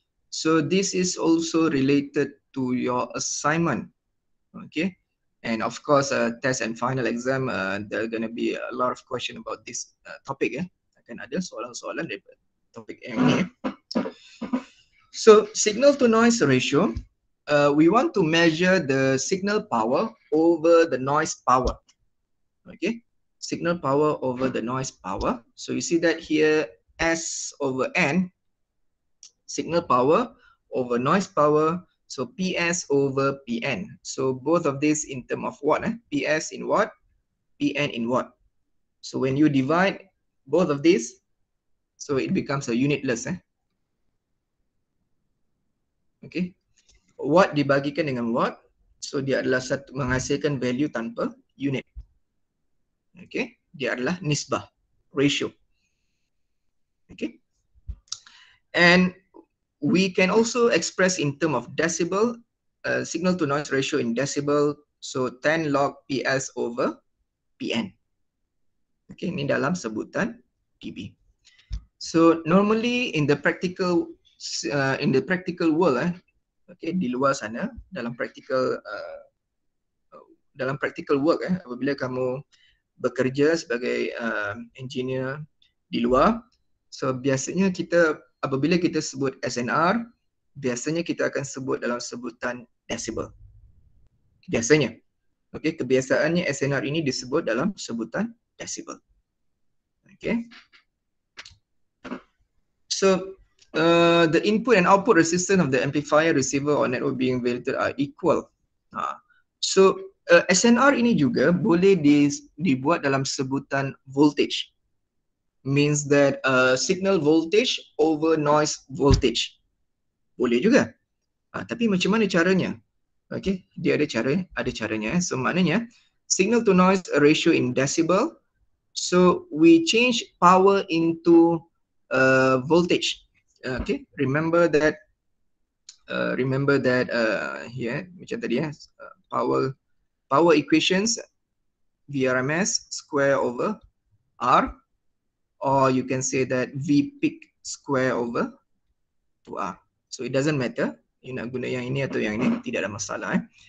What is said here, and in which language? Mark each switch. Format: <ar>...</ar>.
<en>So this is also related to your assignment. Okay. And of course, test and final exam, there are going to be a lot of questions about this topic.</en> <ms>Akan ada soalan-soalan daripada topik yang ini.</ms> <en>So signal to noise ratio. We want to measure the signal power over the noise power. Okay, signal power over the noise power. So you see that here, S over N, signal power over noise power. So PS over PN. So both of these in term of what? PS in what? PN in what? So when you divide both of these, so it becomes a unitless. Okay.</en> <ms>Watt dibagikan dengan watt, so dia adalah satu, menghasilkan value tanpa unit. Okay, dia adalah nisbah, ratio.</ms> <en>Okay, and we can also express in term of decibel, signal to noise ratio in decibel, so 10 log PS over PN.</en> <ms>Okay, ini dalam sebutan dB.</ms> <en>So normally in the practical world,</en> <ms>okay, di luar sana dalam practical work, apabila kamu bekerja sebagai engineer di luar, so biasanya kita apabila kita sebut SNR, biasanya kita akan sebut dalam sebutan decibel. Biasanya, okay, kebiasaannya SNR ini disebut dalam sebutan decibel.</ms> <en>Okay, so the input and output resistance of the amplifier receiver or network being validated are equal.</en> <ms>So SNR ini juga boleh dibuat dalam sebutan voltage.</ms> <en>Means that signal voltage over noise voltage.</en> <ms>Boleh juga. Tapi macam mana caranya? Okay, dia ada cara, ada caranya.</ms> <en>So maknanya signal to noise ratio in decibel. So we change power into voltage. Okay, remember that</en> <ms>macam tadi</ms> <en>power equations VRMS square over R, or you can say that V peak square over 2R. So it doesn't matter you</en> <ms>nak guna yang ini atau yang ini, tidak ada masalah.</ms>